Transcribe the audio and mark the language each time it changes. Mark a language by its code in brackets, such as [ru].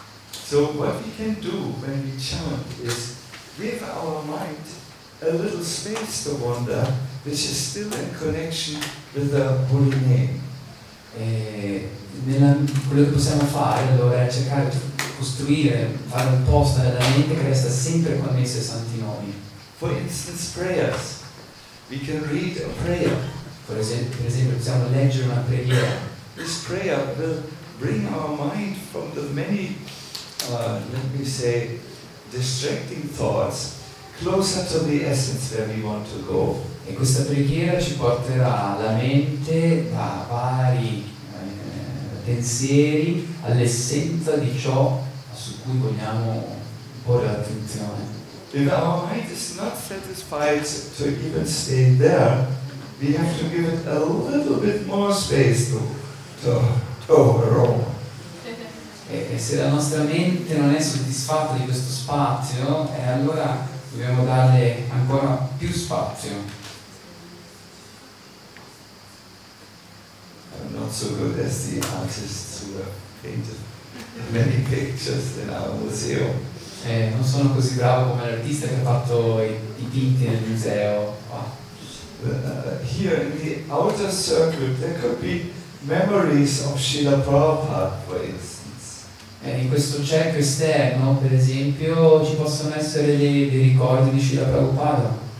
[en] So what we can do when we chant is give our mind a little space to wander, which is still in connection with the holy name. [it] E quello che possiamo fare allora è cercare di costruire, fare un posto nella mente che resta sempre connesso ai santi nomi. [en] For instance, prayers. We can read a prayer. [it] Per esempio, possiamo leggere una preghiera. [en] This prayer will bring our mind from the many, let me say, distracting thoughts closer to the essence where we want to go. [it] E questa preghiera ci porterà la mente da vari pensieri all'essenza di ciò su cui vogliamo porre l'attenzione. [en] If our mind is not satisfied to even stay there, we have to give it a little bit more space to roam. [it] E se la nostra mente non è soddisfatta di questo spazio, allora dobbiamo darle ancora più spazio. [en] I'm not so good as the artists who have painted many pictures in our museum. [it] Non sono così bravo come l'artista che ha fatto i dipinti nel museo. [en] Here in the outer circle there could be memories of Srila Prabhupada, for instance. [it] In questo cerchio esterno, per esempio, ci possono essere dei ricordi di Srila Prabhupada.